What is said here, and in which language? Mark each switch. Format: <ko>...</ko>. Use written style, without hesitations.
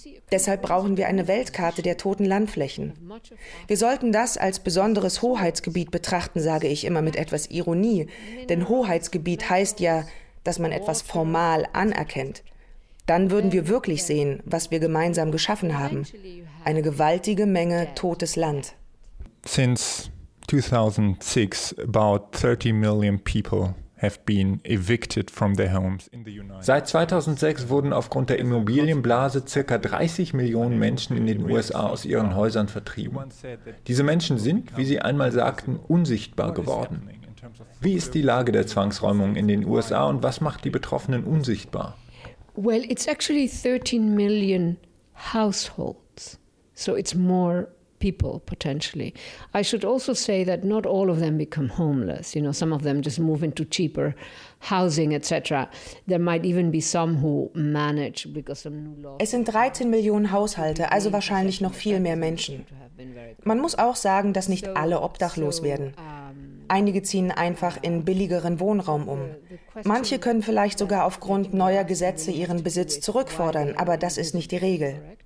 <de>Deshalb brauchen wir eine Weltkarte der toten Landflächen. Wir sollten das als besonderes Hoheitsgebiet betrachten, sage ich immer mit etwas Ironie. Denn Hoheitsgebiet heißt ja, dass man etwas formal anerkennt. Dann würden wir wirklich sehen, was wir gemeinsam geschaffen haben. Eine gewaltige Menge totes Land.</de> <en>Since 2006, about 30 million people have been evicted from their homes in the United States.</en> <de>Seit 2006 wurden aufgrund der Immobilienblase ca. 30 Millionen Menschen in den USA aus ihren Häusern vertrieben. Diese Menschen sind, wie Sie einmal sagten, unsichtbar geworden. Wie ist die Lage der Zwangsräumung in den USA und was macht die Betroffenen unsichtbar?</de> <en>Well, it's actually 13 million households. So it's more people potentially. I should also say that not all of them become homeless. You know, some of them just move into cheaper housing, etc. There might even be some who manage because of new laws.</en> <de>Es sind 13 Millionen Haushalte, also wahrscheinlich noch viel mehr Menschen. Man muss auch sagen, dass nicht alle obdachlos werden. Einige ziehen einfach in billigeren Wohnraum um. Manche können vielleicht sogar aufgrund neuer Gesetze ihren Besitz zurückfordern, aber das ist nicht die Regel.</de>